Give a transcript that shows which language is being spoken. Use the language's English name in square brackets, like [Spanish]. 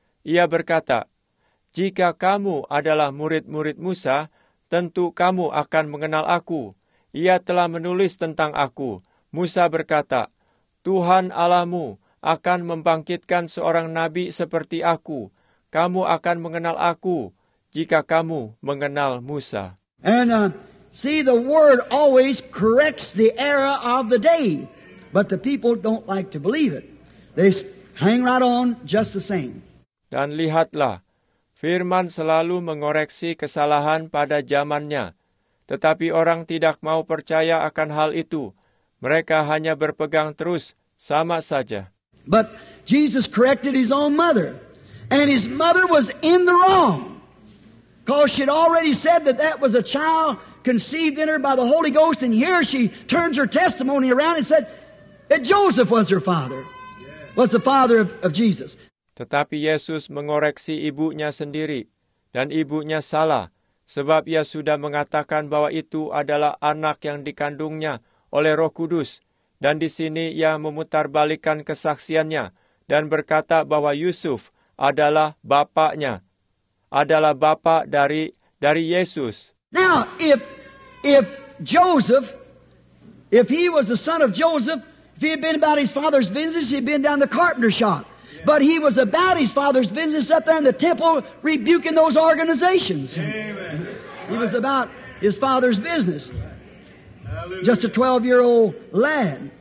[Indonesian] Ia berkata, jika kamu adalah murid-murid Musa, tentu kamu akan mengenal aku. Ia telah menulis tentang aku. Musa berkata, Tuhan Allahmu akan membangkitkan seorang nabi seperti aku. Kamu akan mengenal aku jika kamu mengenal Musa. [English] And see, the word always corrects the error of the day. But the people don't like to believe it. They hang right on just the same. [Indonesian] Dan lihatlah, firman selalu mengoreksi kesalahan pada zamannya. Tetapi orang tidak mau percaya akan hal itu. Mereka hanya berpegang terus, sama saja. [English] But Jesus corrected his own mother. And his mother was in the wrong. Because she had already said that that was a child conceived in her by the Holy Ghost. And here she turns her testimony around and said that Joseph was her father. Was the father of Jesus. [Indonesian] Tetapi Yesus mengoreksi ibunya sendiri. Dan ibunya salah. Sebab ia sudah mengatakan bahwa itu adalah anak yang dikandungnya oleh Roh Kudus. Dan di sini ia memutarbalikkan kesaksiannya. Dan berkata bahwa Yusuf adalah bapaknya, adalah bapak dari Yesus. [English] Now, if Joseph, if he was the son of Joseph, if he had been about his father's business, he'd been down the carpenter shop. Yeah. But he was about his father's business up there in the temple rebuking those organizations. Amen. He was about his father's business. Just a 12-year-old lad.